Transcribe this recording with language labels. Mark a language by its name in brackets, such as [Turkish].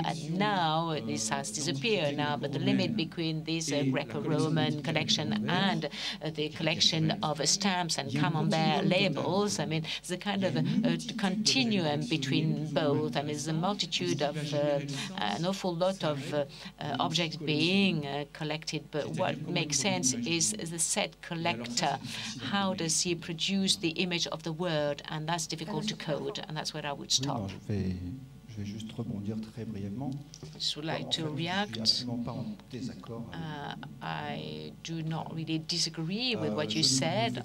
[English] And now this has disappeared. Now, but the limit between this Greco-Roman collection and the collection of stamps and camembert labels, I mean, there's a kind of a continuum between both. I mean, there's a multitude of an awful lot of objects being collected, but what makes sense is the set collector. How does he produce the image of the world? And that's difficult to code, and that's where I would stop. [French] Je juste rebondir très brièvement. Je suis absolument pas en désaccord. [English] I do not really disagree with what you said.